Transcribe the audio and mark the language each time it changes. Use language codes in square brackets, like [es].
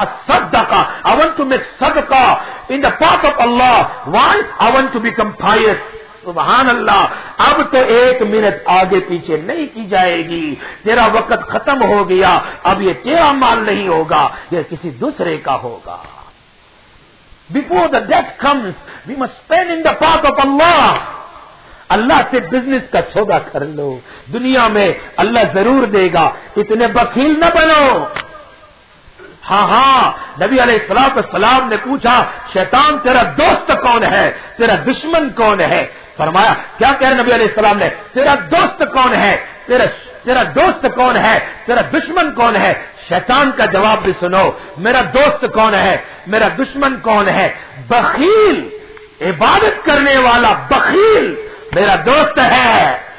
[en] الصدق, I want to make sadaqa in the path of Allah. Why? I want to become pious. [ur] سبحان اللہ, اب تو ایک minute آگے پیچھے نہیں کی جائے گی, تیرا وقت ختم ہو گیا, اب یہ تیرا مال نہیں ہوگا, یہ کسی دوسرے کا ہوگا. [en] Before the death comes we must spend in the path of Allah. [ur] اللہ سے بزنس کا سودا کر لو, دنیا میں اللہ ضرور دے گا. اتنے بخیل نہ بنو, ہاں ہاں نبی علیہ الصلوۃ والسلام نے پوچھا شیطان تیرا دوست کون ہے، تیرا دشمن کون ہے؟ فرمایا کیا کہہ رہے نبی علیہ السلام نے، تیرا دوست کون ہے، تیرا دوست کون ہے، تیرا دشمن کون ہے؟ شیطان کا جواب بھی سنو، میرا دوست کون ہے، میرا دشمن کون ہے؟ بخیل، عبادت کرنے والا بخیل میرا دوست ہے.